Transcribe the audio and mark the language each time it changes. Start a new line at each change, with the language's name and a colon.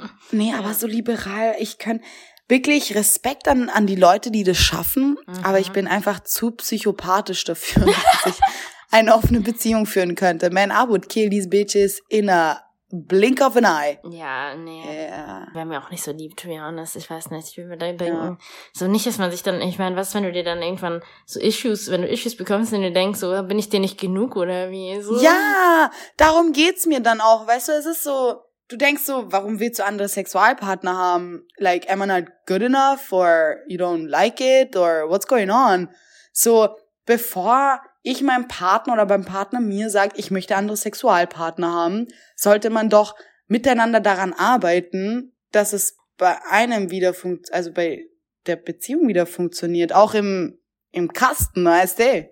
German: Nee, aber so liberal, ich kann wirklich Respekt an die Leute, die das schaffen, aber ich bin einfach zu psychopathisch dafür, dass ich eine offene Beziehung führen könnte.
English: Man, I would kill these bitches in a blink of an eye.
German: Ja, nee. Yeah. Wäre mir auch nicht so lieb,
English: to be honest.
German: Ich weiß nicht, ich würde mir da denken. Ja. So nicht, dass man sich dann, ich meine, was, wenn du dir dann irgendwann so Issues, wenn du Issues bekommst und du denkst, so, bin ich dir nicht genug oder wie? So. Ja, darum geht's mir dann auch. Weißt du, es ist so, du denkst so, warum willst du andere Sexualpartner haben?
English: Like, am I not good enough or you don't like it or what's going on?
German: So, bevor ich meinem Partner oder beim Partner mir sagt, ich möchte andere Sexualpartner haben, sollte man doch miteinander daran arbeiten, dass es bei einem wieder funktioniert, also bei der Beziehung wieder funktioniert, auch im Kasten, weißt du?